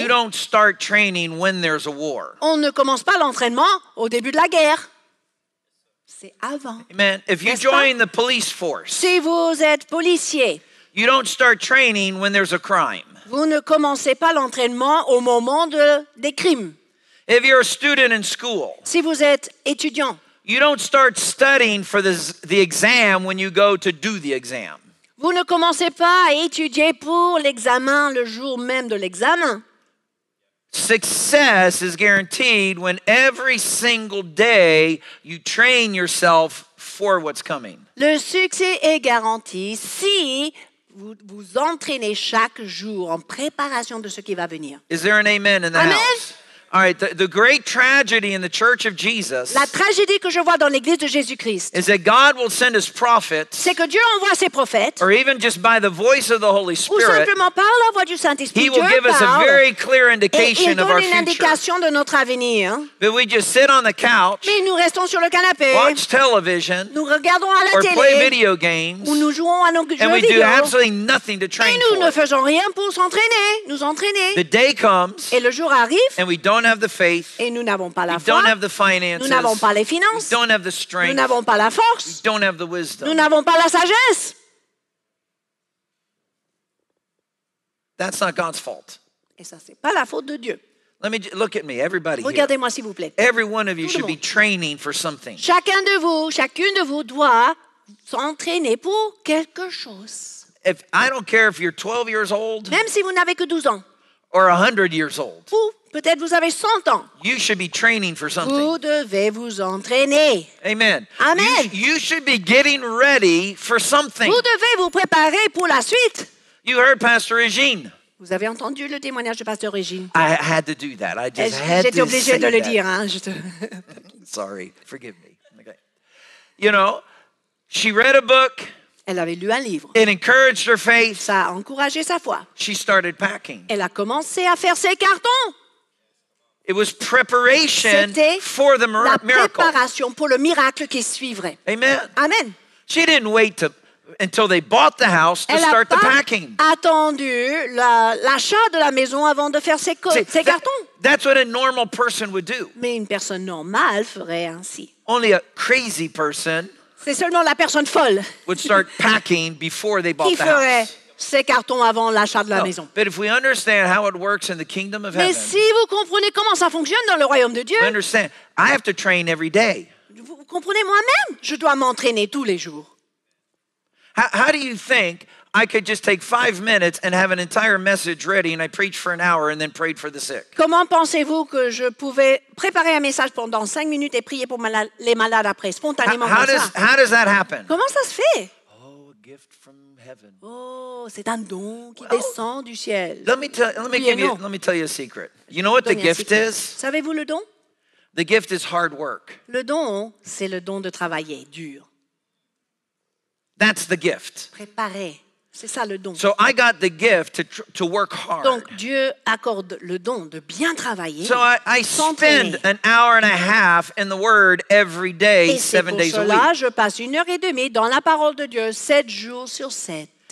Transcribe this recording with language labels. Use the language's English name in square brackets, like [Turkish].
[English] you don't start training when there's a war. [French] On ne commence pas l'entraînement au début de la guerre. C'est avant. [English] Amen. If you join the police force, [French] si vous êtes policier, [English] you don't start training when there's a crime. [French] Vous ne commencez pas l'entraînement au moment des crimes. [English] If you're a student in school, [French] si vous êtes étudiant. [English] You don't start studying for the exam when you go to do the exam. [French] Vous ne commencez pas à étudier pour l'examen le jour même de l'examen. [English] Success is guaranteed when every single day you train yourself for what's coming. [French] Le succès est garanti si vous vous entraînez chaque jour en préparation de ce qui va venir. [English] Is there an amen in the amen. House? All right, the great tragedy in the Church of Jesus. [French] La tragédie que je vois dans l'église de Jésus-Christ. [English] Is that God will send his prophets. [French] C'est que Dieu envoie ses prophètes. [English] Or even just by the voice of the Holy Spirit. [French] Ou simplement par la voix du Saint-Esprit. [English] He will give us a very clear indication of our future. [French] Et il donne une indication de notre avenir. [English] But we just sit on the couch. [French] Mais nous restons sur le canapé. [English] Watch television. [French] Nous regardons à la [English] or [French] télé. [English] Or play video games. [French] Ou nous jouons à nos jeux vidéo. [English] And we do absolutely nothing to train for. [French] Et nous ne faisons rien pour s'entraîner, nous entraîner. [English] The day comes. [French] Et le jour arrive. [English] And we don't have the faith. [French] Et nous n'avons pas la [English] we [French] foi. [English] Don't have the finances. [French] Nous n'avons pas les finances. [English] We don't have the strength. [French] Nous n'avons pas la force. [English] We don't have the wisdom. [French] Nous n'avons pas la sagesse. [English] That's not God's fault. [French] Et ça c'est pas la faute de Dieu. [English] Let me look at me, everybody. [French] Regardez-moi [English] here. [French] S'il vous plaît. [English] Every one of you should be training for something. [French] Chacun de vous, chacune de vous doit s'entraîner pour quelque chose. [English] If I don't care if you're 12 years old. [French] Même si vous n'avez que 12 ans. [English] Or 100 years old. [French] Ou peut-être vous avez 100 ans. [English] You should be training for something. [French] Vous devez vous entraîner. [English] Amen. [French] Amen. [English] You should be getting ready for something. [French] Vous devez vous préparer pour la suite. [English] You heard Pastor Régine. [French] Vous avez entendu le témoignage de Pasteur Régine. [English] I had to do that. I just [French] j'étais [English] had to [French] J'étais obligé de [English] that. [French] Le dire. Hein? [English] Sorry. Forgive me. Okay. You know, she read a book. [French] Elle avait lu un livre. [English] It encouraged her faith. [French] Ça a encouragé sa foi. [English] She started packing. [French] Elle a commencé à faire ses cartons. [English] It was preparation [French] C'était [English] for the miracle. [French] La préparation pour le miracle qui suivrait. [English] Amen. [French] Amen. [English] She didn't wait until they bought the house [French] Elle [English] to start the packing. [French] Elle a attendu l'achat de la maison avant de faire ses cartons. [English] That's what a normal person would do. [French] Mais une personne normale ferait ainsi. [English] Only a crazy person [French] C'est seulement la personne folle [English] would start packing before they bought [French] qui ferait [English] the house. [French] Ses cartons avant l'achat de la [English] no, [French] maison. [English] But if we understand how it works in the kingdom of [French] Mais si vous comprenez comment ça fonctionne dans le royaume de Dieu, [English] we understand, I have to train every day. [French] Vous comprenez moi-même, je dois m'entraîner tous les jours. [English] How do you think I could just take 5 minutes and have an entire message ready and I preach for an hour and then prayed for the sick? [French] Comment pensez-vous que je pouvais préparer un message pendant 5 minutes et prier pour les malades après, spontanément [English] how does, [French] ça? [English] How does that happen? [French] Comment ça se fait? [English] Gift from heaven. [French] Oh, c'est un don qui well, descend du ciel. [English] Let me tell you a secret. You know what the gift is? [French] Savez-vous le don? [English] The gift is hard work. [French] Le don, c'est le don de travailler dur. [English] That's the gift. [French] Préparer, c'est ça le don. [English] So I got the gift to work hard. [French] Donc Dieu accorde le don de bien travailler. [English] So I spend an hour and a half in the word every day, 7 days a week. [French] Et pour cela, je passe une heure et demie dans la parole de Dieu 7 jours sur 7.